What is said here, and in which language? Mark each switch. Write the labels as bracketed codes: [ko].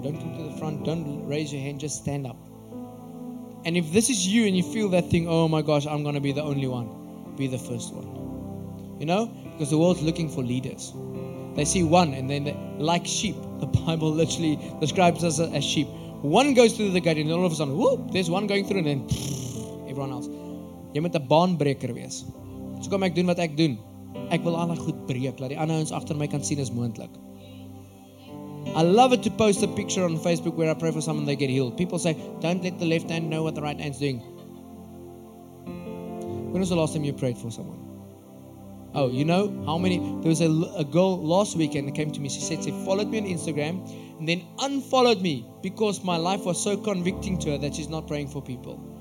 [en] Don't come to the front, don't raise your hand, just stand up. And if this is you and you feel that thing, oh my gosh, I'm going to be the only one, be the first one. You know, because the world's looking for leaders. They see one and then like sheep, the Bible literally describes us as sheep. One goes through the gate and all of a sudden, whoop, there's one going through and then pff, everyone else. [af] Jy moet 'n baanbreker wees. So kom ek doen wat ek doen. Ek wil alle goed breek, laat die ander ons agter my kan sien as moontlik. [en] I love it to post a picture on Facebook where I pray for someone they get healed. People say, don't let the left hand know what the right hand's doing. When was the last time you prayed for someone? Oh, you know how many, there was a girl last weekend that came to me, she said, she followed me on Instagram and then unfollowed me because my life was so convicting to her that she's not praying for people.